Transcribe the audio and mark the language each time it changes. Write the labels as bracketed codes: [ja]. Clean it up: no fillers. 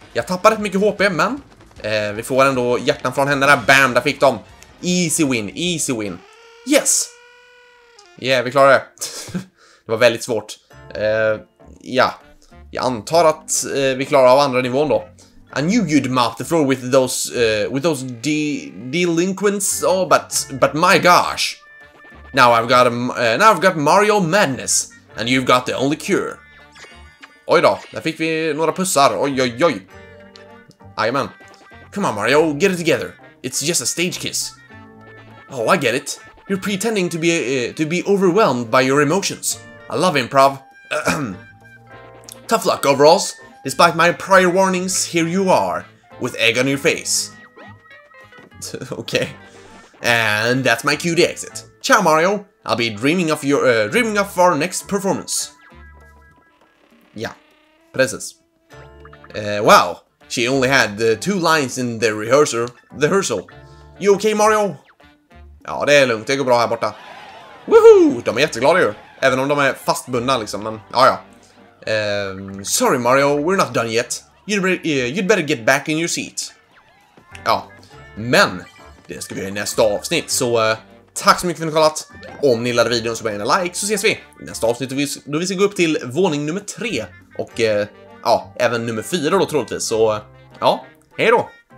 [sv] Jag tappade rätt mycket HP, men vi får ändå hjärtan från henne där. Bam, där fick de. [en] Easy win, easy win. Yes! Yeah, [sv] vi klarade det. Det var väldigt svårt. Ja, jag antar att vi klarar av andra nivån då. [en] I knew you'd mop the floor with those delinquents, oh, but my gosh. Now I've got Mario Madness, and you've got the only cure. [sv] Oj då, där fick vi några pussar, oj oj oj. Jajamän. [en] Come on Mario, get it together. It's just a stage kiss. Oh, I get it. You're pretending to be overwhelmed by your emotions. I love improv. Tough luck, overalls. Despite my prior warnings, here you are, with egg on your face. Okay. And that's my cue to exit. Ciao, Mario. I'll be dreaming of your our next performance. Yeah, precis. Wow, she only had two lines in the rehearsal. You okay, Mario? [sv] Ja, det är lugnt. Det går bra här borta. Woohoo! De är jätteglada ju. Även om de är fastbundna liksom, men ja, ja. [en] Sorry Mario, we're not done yet. You'd better get back in your seat. [sv] Ja, men det ska vi göra i nästa avsnitt. Så tack så mycket för att ni kollat. Om ni gillade videon så börja en like, så ses vi i nästa avsnitt då vi ska gå upp till våning nummer 3 och ja, även nummer 4 då troligtvis. Så ja, hej då.